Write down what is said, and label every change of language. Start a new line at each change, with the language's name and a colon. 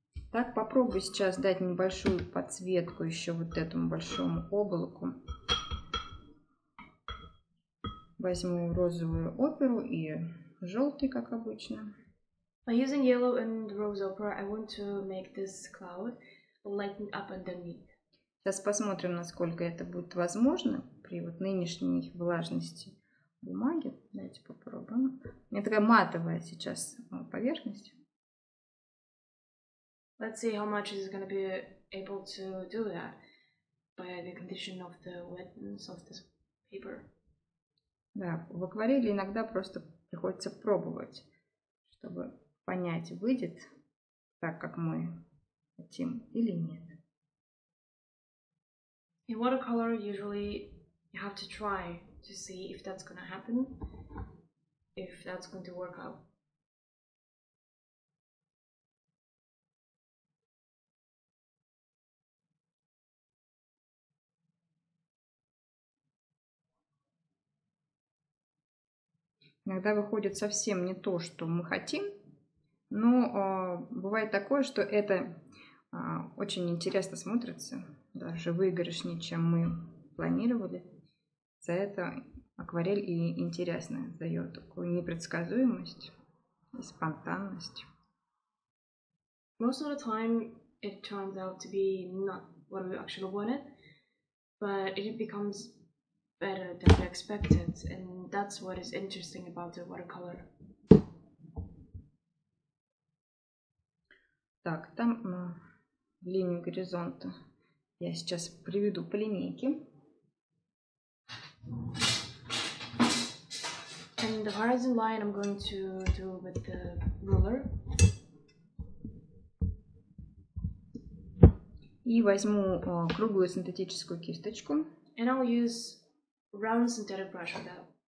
Russian: Так, попробую сейчас дать небольшую подсветку еще вот этому большому облаку. Возьму розовую оперу и желтый, как обычно.
English: By using yellow and rose opera, I want to make this cloud lighten up underneath.
Russian: Сейчас посмотрим, насколько это будет возможно при вот нынешней влажности бумаги. Давайте попробуем. У меня такая матовая сейчас поверхность.
English: Let's see how much is going to be able to do that by the condition of the wetness of this paper.
Russian: Да, в акварели иногда просто приходится пробовать, чтобы понять, выйдет так, как мы хотим, или нет.
English: In watercolor, usually you have to try to see if that's going to happen, if that's going to work out.
Russian: Иногда выходит совсем не то, что мы хотим, но бывает такое, что это очень интересно смотрится, даже выигрышнее, чем мы планировали. За это акварель и интересно, дает такую непредсказуемость и спонтанность.
English: Most of the time it turns out to be not what we actually wanted, but it becomes better than we expected, and that's what is interesting about the watercolor.
Russian: Так, там линию горизонта я сейчас приведу по линейке.
English: And the horizon line I'm going to do with the ruler.
Russian: И возьму круглую синтетическую кисточку.
English: And I'll use round synthetic brush for that.